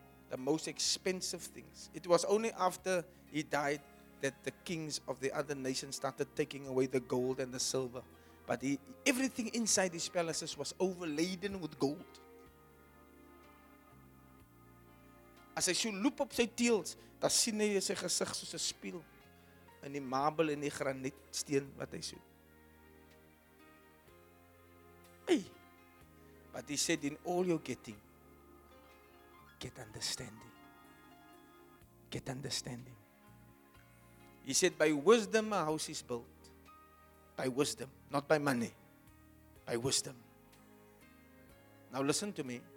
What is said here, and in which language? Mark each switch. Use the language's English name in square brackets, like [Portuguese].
[English] The most expensive things. It was only after he died that the kings of the other nations started taking away the gold and the silver. But everything inside his palaces was overladen with gold. [Afrikaans] As hy so loop op sy teels, dan sien hy sy gesig soos 'n spieël in die marmer en die granietsteen wat hy soek. Hey. [English] But he said, in all you're getting, get understanding. Get understanding. He said, by wisdom a house is built. By wisdom, not by money. By wisdom. Now listen to me.